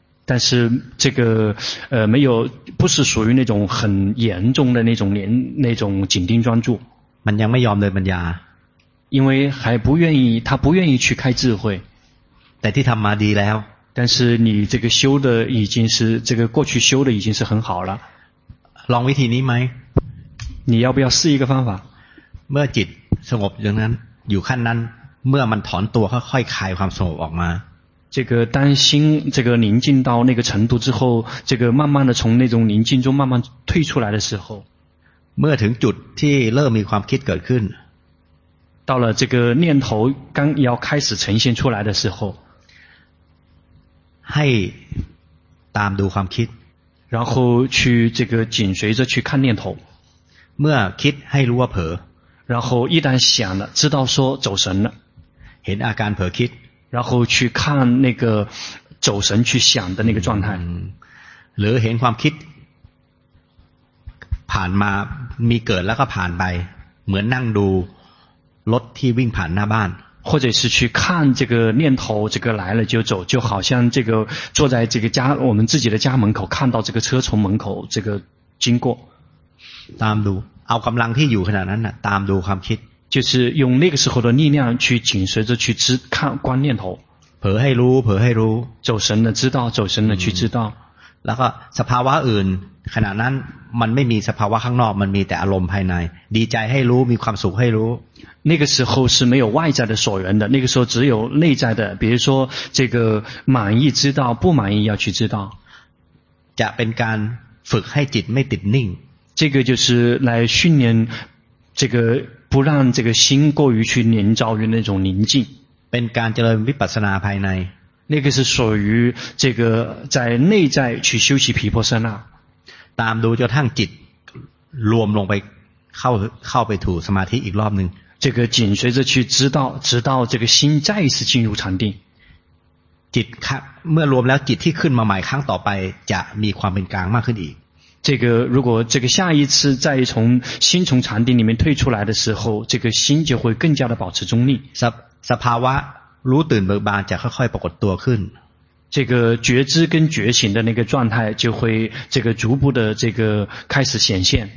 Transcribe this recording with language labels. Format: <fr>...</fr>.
<zh>但是这个没有不是属于那种很严重的那种紧盯专注</zh> <th>มันยังไม่ยอมเดินปัญญา</th> <zh>因为还不愿意他不愿意去开智慧</zh> <th>แต่ที่ทำมาดีแล้ว</th> <zh>但是你这个修的已经是这个过去修的已经是很好了</zh> <th>ลองวิธีนี้ไหม</th> <zh>你要不要试一个方法</zh> <th>เมื่อจิตสงบอย่างนั้นอยู่ขั้นนั้นเมื่อมันถอนตัวค่อยๆคลายความสงบออกมา</th> <zh>这个当心这个宁静到那个程度之后这个慢慢的从那种宁静中慢慢退出来的时候</zh> <th>เมื่อถึงจุดที่เริ่มมีความคิดเกิดขึ้น</th> <zh>到了这个念头刚要开始呈现出来的时候</zh> <th>ให้ตามดูความคิด</th> <zh>然后去这个紧随着去看念头</zh> <th>เมื่อคิดให้รู้ว่าเผล</th> <zh>อ然后一旦想了知道说走神了</zh> <th>เห็นอาการเผลอคิด</th> <zh>然后去看那个走神去想的那个状态</zh> <th>หรือเห็นความคิดผ่านมามีเกิดแล้วก็ผ่านไปเหมือนนั่งดูรถที่วิ่งผ่านหน้าบ้าน</th> <zh>或者是去看这个念头这个来了就走就好像这个坐在这个家我们自己的家门口看到这个车从门口这个经过</zh> <th>ตามดูเอากำลังที่อยู่ขนาดนั้นนะตามดูความคิด</th> <zh>就是用那个时候的力量去紧随着去知看观念头</zh> <th>เผลอให้รู้เผลอให้รู้</th> <zh>走神了知道走神了去知道</zh> <th>แล้วก็สภาวะอื่นขนาดนั้นมันไม่มีสภาวะข้างนอกมันมีแต่อารมณ์ภายในดีใจให้รู้มีความสุขให้รู้</th> <zh>那个时候是没有外在的所缘的那个时候只有内在的比如说这个满意知道不满意要去知道</zh> <th>จะเป็นการฝึกให้จิตไม่ติดนิ่ง</th> <zh>这个就是来训练这个不让这个心过于去粘着于那种宁静</zh> <th>เป็นการเจริญวิปัสสนาภายใน</th> <zh>那个是属于这个在内在去修习毗婆舍那</zh> <th>ตามดูจนทั้งจิตรวมลงไปเข้าไปถูกสมาธิอีกรอบนึง</th> <zh>这个紧随着去知道直到这个心再一次进入禅定</zh> <th>จิตเมื่อรวมแล้วจิตที่ขึ้นมาใหม่ครั้งต่อไปจะมีความเป็นกลางมากขึ้นอีก</th> <zh>这个如果这个下一次再从心从禅定里面退出来的时候这个心就会更加的保持中立</zh> <th>สภาวะรู้ตื่นเบิกบานจะค่อยๆปรากฏตัวขึ้น</th> <zh>这个觉知跟觉醒的那个状态就会这个逐步的这个开始显现</zh>